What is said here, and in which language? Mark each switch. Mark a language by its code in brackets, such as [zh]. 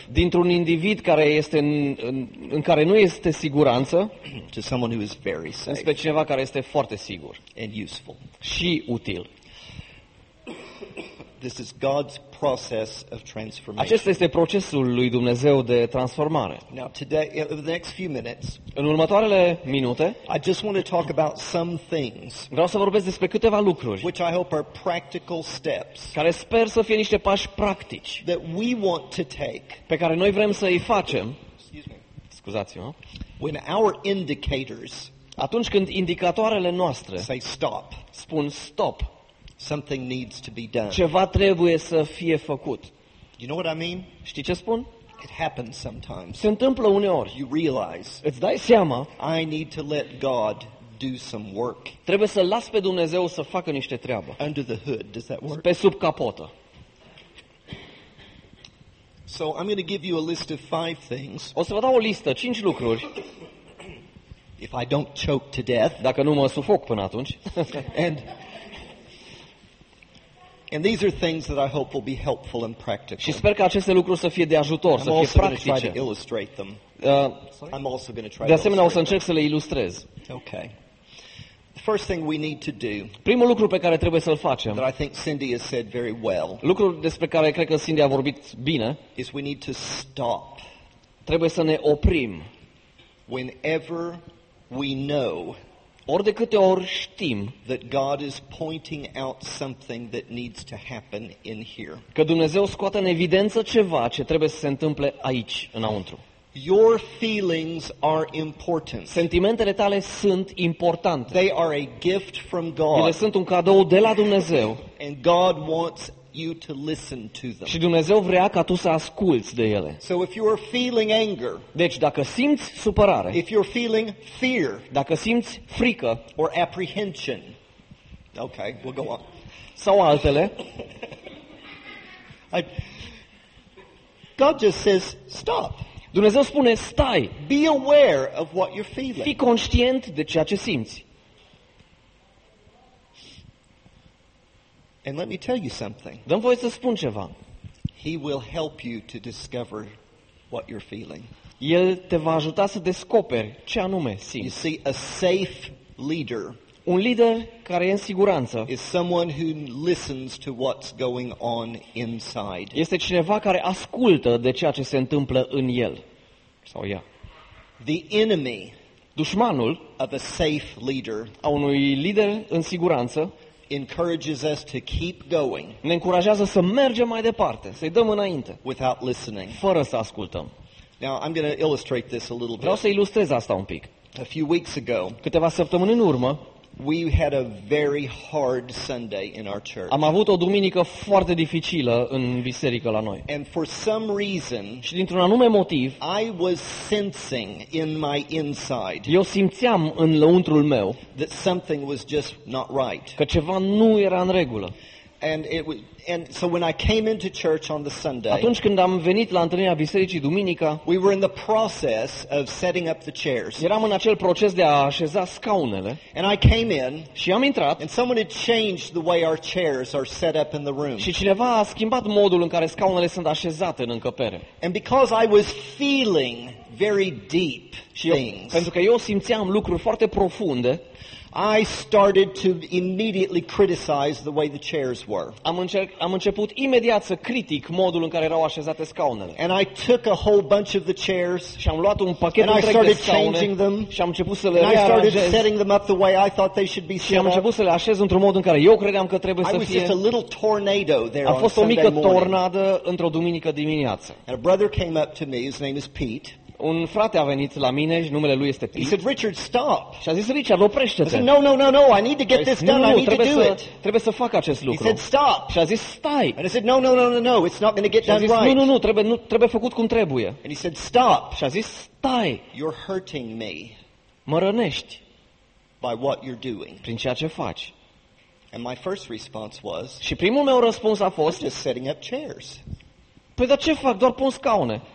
[ro] Dintr-un individ care este în care nu este siguranță. [en] To someone who is very safe. [ro] Înspre cineva care este foarte sigur. [en] And useful. [ro] Și util. [en] This is God's process of transformation. [ro] Acesta este procesul lui Dumnezeu de transformare. [en] Now, today, in the next few minutes, [ro] în următoarele minute, [en] I just want to talk about some things. [ro] Vreau să vorbesc despre câteva lucruri, [en] which I hope are practical steps. [ro] Care sper să fie niște pași practici. [en] That we want to take. [ro] Pe care noi vrem să îi facem. [en] Excuse me. [ro] Scuzați-mă. [en] When our indicators, [ro] atunci când indicatoarele noastre [en] say stop, [ro] spun stop. [en] Something needs to be done. [ro] Ceva trebuie să fie făcut. [en] You know what I mean? [ro] Știi ce spun? [en] It happens sometimes. [ro] Se întâmplă uneori. [en] You realize. [ro] Îți dai seama. [en] I need to let God do some work. [ro] Trebuie să las pe Dumnezeu să facă niște treabă. [en] Under the hood, does that work? [ro] Pe sub capotă. [en] So I'm going to give you a list of 5 things. [ro] O să vă dau o listă, 5 lucruri. [en] If I don't choke to death. [ro] Dacă nu mă sufoc până atunci. [en] And these are things that I hope will be helpful and practical. [ro] Și sper că aceste lucruri să fie de ajutor, să fie practice. [en] I'm also going to illustrate them. I'm also going to try. [ro] De asemenea, o să încerc să le ilustrez. [en] Okay. The first thing we need to do. [ro] Primul lucru pe care trebuie să-l facem. [en] That I think Cindy has said very well. [ro] Lucrul despre care cred că Cindy a vorbit bine. [en] Is we need to stop. [ro] Trebuie să ne oprim. [en] Whenever we know. [ro] Ori de câte ori știm [en] that God is pointing out something that needs to happen in here. [ro] Că Dumnezeu scoate în evidență ceva ce trebuie să se întâmple aici înăuntru. [en] Your feelings are important. [ro] Sentimentele tale sunt importante. [en] They are a gift from God. [ro] Ele sunt un cadou de la Dumnezeu. [en] And God wants you to listen to them. [ro] Și Dumnezeu vrea ca tu să asculți de ele. [en] So if you are feeling anger, [ro] deci dacă simți supărare, [en] if you're feeling fear, [ro] dacă simți frică, [en] or apprehension, okay, we'll go on. [ro] Sau altele. [en] God just says stop. [ro] Dumnezeu spune stai. [en] Be aware of what you're feeling. [ro] Fii conștient de ceea ce simți. [en] And let me tell you something. [ro] Dă-mi voie să spun ceva. [en] He will help you to discover what you're feeling. [ro] El te va ajuta să descoperi ce anume simți. [en] You see, a safe leader. [ro] Un lider care e în siguranță. [en] Is someone who listens to what's going on inside. [ro] Este cineva care ascultă de ceea ce se întâmplă în el sau ea. [en] The enemy. [ro] Dușmanul. [en] Of a safe leader. [ro] A unui lider în siguranță. [en] Encourages us to keep going. [ro] Ne încurajează să mergem mai departe, să-i dăm înainte. [en] Without listening. [ro] Fără să ascultăm. [en] Now I'm going to illustrate this a little bit. [ro] Vreau să ilustrez asta un pic. [en] A few weeks ago. [ro] Câteva săptămâni în urmă. [en] We had a very hard Sunday in our church. [ro] Am avut o duminică foarte dificilă în biserică la noi. [en] And for some reason, [ro] și dintr-un anume motiv, [en] I was sensing in my inside. [ro] Eu simțeam în lăuntrul meu [en] that something was just not right. [ro] Că ceva nu era în regulă. [en] And so when I came into church on the Sunday, [ro] atunci când am venit la întâlnirea bisericii duminica, [en] we were in the process of setting up the chairs. [ro] Eram în acel proces de a așeza scaunele. [en] And I came in, [ro] și am intrat, [en] and someone had changed the way our chairs are set up in the room. [ro] Și cineva a schimbat modul în care scaunele sunt așezate în încăpere. [en] And because I was feeling very deep things, [ro] pentru că eu simțeam lucruri foarte profunde, [en] I started to immediately criticize the way the chairs were. [ro] Am început imediat să critic modul în care erau așezate scaunele. [en] And I took a whole bunch of the chairs. [ro] Și am luat un pachet întreg de scaune. [en] And I started changing them. [ro] Și am început să le rearanjez. [en] And I started setting them up the way I thought they should be set up. [ro] Și am început să le așez într-un mod în care eu credeam că trebuie să fie. [en] I was just a little tornado there. [ro] A fost o mică tornadă [en] morning. [ro] Într-o duminică dimineață. [en] And a brother came up to me, his name is Pete. [ro] Un frate a venit la mine și numele lui este Pete. [en] He said, Richard, stop. [ro] Și a zis, Richard, oprește-te. [en] I said, no, I need to get this done. I need to do it. [ro] Trebuie să fac acest lucru. [en] He said, stop. [ro] Și a zis, stai. [en] And I said, no, it's not going to get done right. [ro] Nu, trebuie făcut cum trebuie. [en] And he said, stop. [ro] Și a zis, stai. [en] You're hurting me. [ro] Mă rănești. [en] By what you're doing. [ro] Prin ceea ce faci. [en] And my first response was, [ro] și primul meu răspuns a fost, [en] just setting up chairs. [ro] Păi, dar ce fac? Doar pun scaune.